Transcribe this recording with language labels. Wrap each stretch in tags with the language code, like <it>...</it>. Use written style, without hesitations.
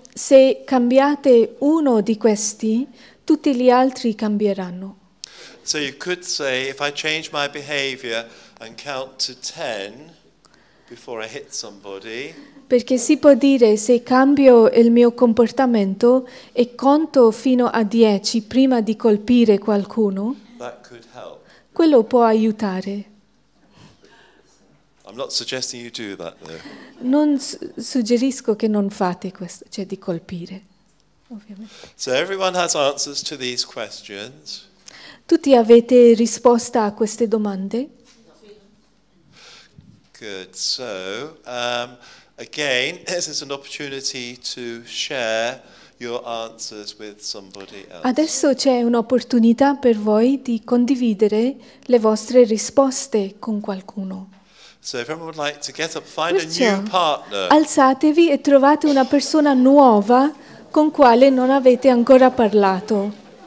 <it>se cambiate uno di questi, tutti gli altri cambieranno.</it> <en>So you could say, if I change my behavior and count to 10 before I hit somebody.</en> <it>Perché si può dire, se cambio il mio comportamento e conto fino a 10 prima di colpire qualcuno,</it> <en>that could help.</en> <it>Quello può aiutare.</it> <en>I'm not suggesting you do that, though.</en> <it>Non suggerisco che non fate questo, cioè di colpire, ovviamente.</it> <en>So everyone has answers to these questions.</en> <it>Tutti avete risposta a queste domande?</it> <en>Good. So, again, this is an opportunity to share your answers with somebody else.</en> <it>Adesso c'è un'opportunità per voi di condividere le vostre risposte con qualcuno.</it> <en>So if everyone would like to get up, find a new partner.</en> <it>Alzatevi e trovate una persona nuova con quale non avete ancora parlato.</it>